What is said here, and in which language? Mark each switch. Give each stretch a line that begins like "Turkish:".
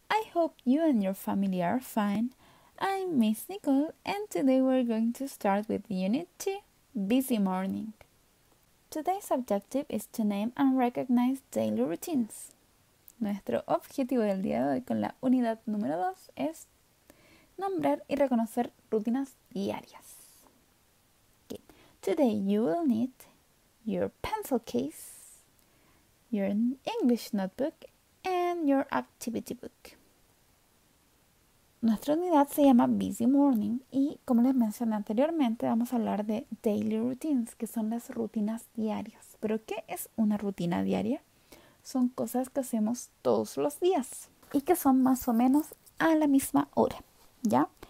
English: I hope you and your family are fine. I'm Miss Nicole, and today we're going to start with Unit 2, Busy Morning. Today's objective is to name and recognize daily routines.
Spanish: Nuestro objetivo del día de hoy con la unidad número 2 es nombrar y reconocer rutinas diarias.
English: Okay. Today you will need your pencil case, your English notebook, and your activity book.
Spanish: Nuestra unidad se llama Busy Morning y, como les mencioné anteriormente, vamos a hablar de daily routines, que son las rutinas diarias. ¿Pero qué es una rutina diaria? Son cosas que hacemos todos los días y que son más o menos a la misma hora, ¿ya?